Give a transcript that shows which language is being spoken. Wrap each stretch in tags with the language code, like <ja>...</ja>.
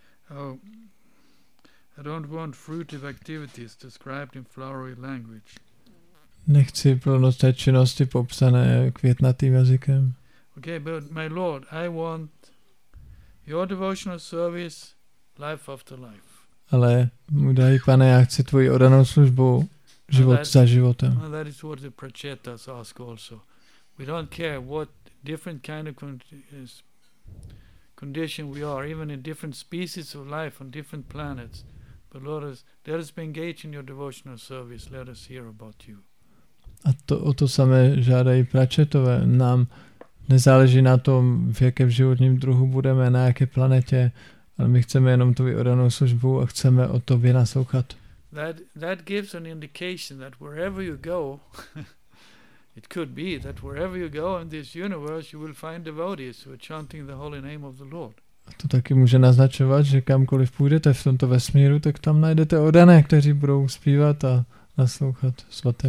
<en>Oh, I don't want fruitive activities described in flowery language.</en> <cs>Nechci plnosté činnosti popsané květnatým jazykem.</cs> <en>Okay, but my lord, I want your devotional service life after life.</en> <cs>Ale, můj drahý pane, já chci tvoji oddanou službu život za životem.</cs> <en>Well, that is what the prachetas ask also. We don't care what different kind of condition we are, even in different species of life on different planets. But Lord, let us be engaged in your devotional service. Let us hear about you.</en> <cs>A to o to samé žádají pračetové. Nám nezáleží na tom, v jakém životním druhu budeme, na jaké planetě, ale my chceme jenom tu vyodanou službu a chceme o tobě naslouchat.</cs> <en>That gives an indication that wherever you go, it could be that wherever you go in this universe, you will find devotees who are chanting the holy name of the Lord.</en> <cs>To taky může naznačovat, že kamkoliv půjdete v tomto vesmíru, tak tam najdete oddané, kteří budou zpívat a naslouchat svaté</cs>